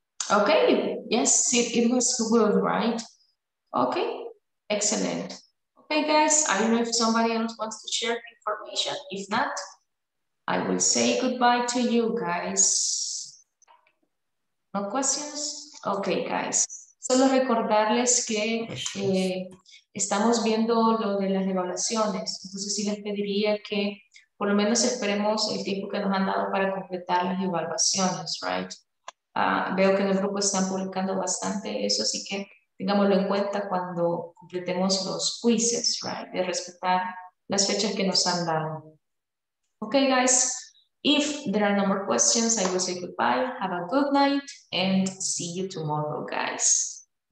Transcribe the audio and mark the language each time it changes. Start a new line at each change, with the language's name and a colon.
English: Okay, yes, it was good, right? Okay, excellent. Okay, guys, I don't know if somebody else wants to share information. If not, I will say goodbye to you guys. No questions? Okay, guys.
Spanish: Solo recordarles que estamos viendo lo de las evaluaciones. Entonces, sí les pediría que por lo menos esperemos el tiempo que nos han dado para completar las evaluaciones, right? Veo que en el grupo están publicando bastante eso, así que tengámoslo en cuenta cuando completemos los quizzes, right? De respetar las fechas que nos han dado.
English: Okay, guys. If there are no more questions, I will say goodbye. Have a good night and see you tomorrow, guys.